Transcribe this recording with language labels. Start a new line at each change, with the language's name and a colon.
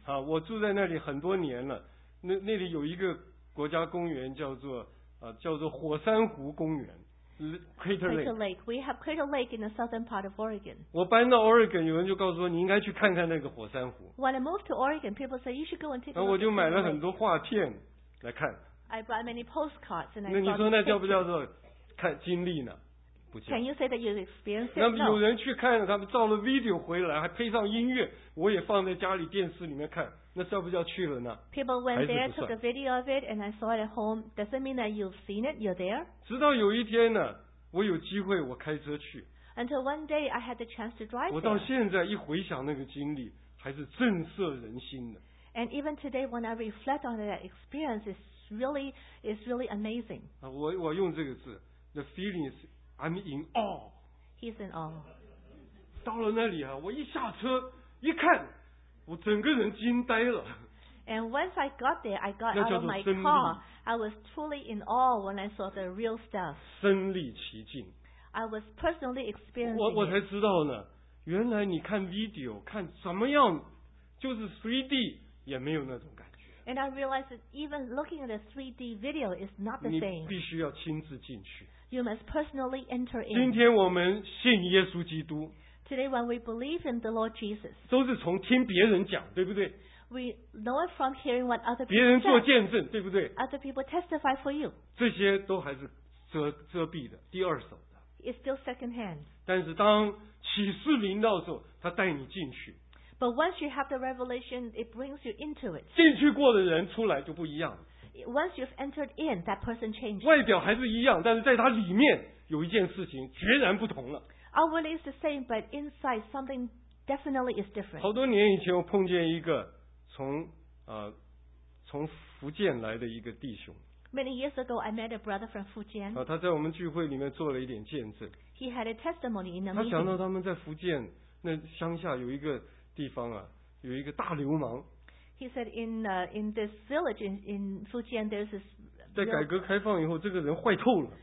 Chinese: 啊，我住在那里很多年了。那里有一个国家公园叫做火山湖公园 ，Crater Lake.
English: We have Crater Lake in the southern part of Oregon.
Chinese: 我搬到 Oregon， 有人就告诉我你应该去看看那个火山湖。
English: When I moved to Oregon, people say you should go and take a look.
Chinese: 我就买了很多画片来看。
English: I bought many postcards and I.
Chinese: 那你说那叫不叫做看经历呢？
English: Can you say that you've experienced it?
Chinese: 那有人去看了，他们照了 video 回来，还配上音乐，我也放在家里电视里面看，那叫不叫去了呢？
English: People went there, took a video of it, and I saw it at home. Doesn't mean that you've seen it. You're there.
Chinese: 直到有一天呢，我有机会，我开车去。
English: Until one day, I had the chance to drive.
Chinese: 我到现在一回想那个经历，还是震慑人心的。
English: And even today, when I reflect on that experience, it's really amazing.
Chinese: 我用这个字 ，
English: the feelings. I'm in awe. He's in awe.
Chinese: 到了那里啊，我一下车一看，我整个人惊呆了。
English: And once I got there, I got out of my car. I was truly in awe when I saw the real stuff.
Chinese: 身历其境。
English: I was personally experiencing.
Chinese: 我才知道呢，原来你看 video 看什么样，就是 3D 也没有那种感觉。
English: And I realized that even looking at a 3D video is not the same.
Chinese: 你必须要亲自进去。
English: You must personally enter in.
Chinese: 今天我们信耶稣基督。
English: Today when we believe in the Lord Jesus.
Chinese: 都是从听别人讲，对不对？
English: We know it from hearing what other people say.
Chinese: 别人做见证，对不对？
English: Other people testify for you.
Chinese: 这些都还是遮蔽的，第二手的。
English: It's still second hand.
Chinese: 但是当启示临到的时候，他带你进去。
English: But once you have the revelation, it brings you into it.
Chinese: 进去过的人出来就不一样了。
English: Once you've entered in, that person changes.
Chinese: 外表还是一样，但是在它里面有一件事情截然不同了。
English: Outwardly is the same, but inside something definitely is different.
Chinese: 好多年以前，我碰见一个从福建来的一个弟兄。
English: Many years ago, I met a brother from Fujian.
Chinese: 他在我们聚会里面做了一点见证。
English: He had a testimony in the
Chinese: meeting. 他讲到他们在福建那乡下有一个地方啊，有一个大流氓。
English: He said in this village in Fujian there's this.
Chinese: 在改革开放以后，这个人坏透了。